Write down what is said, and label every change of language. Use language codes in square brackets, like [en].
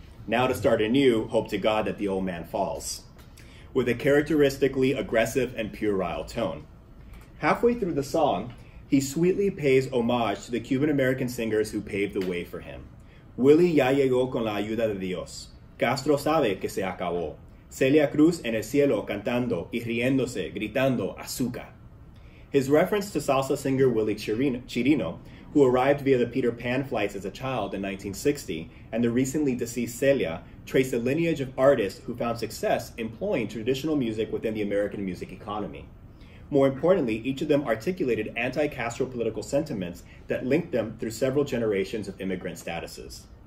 [en] Now to start anew, hope to God that the old man falls. With a characteristically aggressive and puerile tone. Halfway through the song, he sweetly pays homage to the Cuban-American singers who paved the way for him. [es] Willie ya llegó con la ayuda de Dios. Castro sabe que se acabó. Celia Cruz en el cielo cantando y riéndose, gritando azúcar. [en] His reference to salsa singer Willie Chirino, who arrived via the Peter Pan flights as a child in 1960, and the recently deceased Celia, trace a lineage of artists who found success employing traditional music within the American music economy. More importantly, each of them articulated anti-Castro political sentiments that linked them through several generations of immigrant statuses.